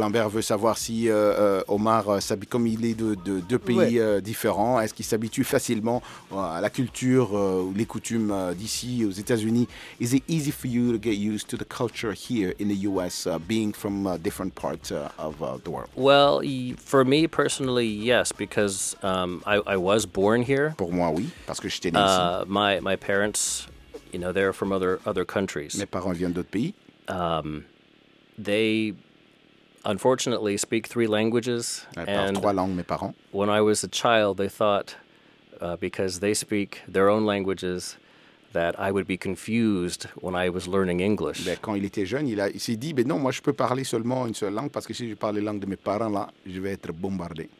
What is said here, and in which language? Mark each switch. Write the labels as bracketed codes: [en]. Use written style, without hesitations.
[fr] Lambert veut savoir si Omar s'habille, comme il est de deux pays différents, est-ce qu'il s'habitue facilement à la culture ou les coutumes d'ici aux États-Unis? [en] Is it easy for you to get used to the culture here in the US, being from different parts of the world? Well, for me personally, yes, because I was born here. [fr] Pour moi, oui, parce que j'étais né ici. [en] My parents, you know, they're from other countries. [fr] Mes parents viennent d'autres pays. [en] They unfortunately speak three languages. [fr] And trois langues, mes parents. [en] When I was a child, they thought because they speak their own languages that I would be confused when I was learning English. [fr] Mais quand il était jeune, il s'est dit, non, moi je peux parler seulement une seule langue parce que si je parle la langue de mes parents là, je vais être bombardé.